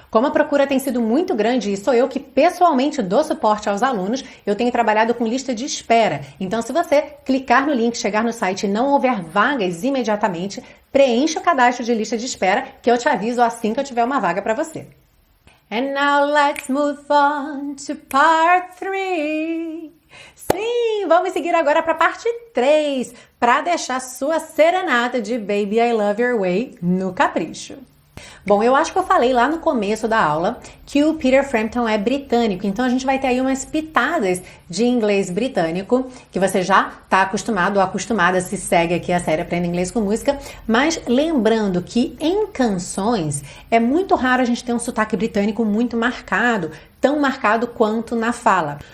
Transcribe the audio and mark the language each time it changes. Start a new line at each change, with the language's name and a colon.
Portuguese: Como a procura tem sido muito grande e sou eu que pessoalmente dou suporte aos alunos, eu tenho trabalhado com lista de espera. Então, se você clicar no link, chegar no site e não houver vagas imediatamente, preencha o cadastro de lista de espera que eu te aviso assim que eu tiver uma vaga para você.
English: And now let's move on to part 3.
Portuguese: Sim, vamos seguir agora para a parte 3, para deixar sua serenata de Baby I Love Your Way no capricho. Bom, eu acho que eu falei lá no começo da aula que o Peter Frampton é britânico, então a gente vai ter aí umas pitadas de inglês britânico, que você já está acostumado ou acostumada, se segue aqui a série Aprenda Inglês com Música, mas lembrando que em canções é muito raro a gente ter um sotaque britânico muito marcado, tão marcado quanto na fala.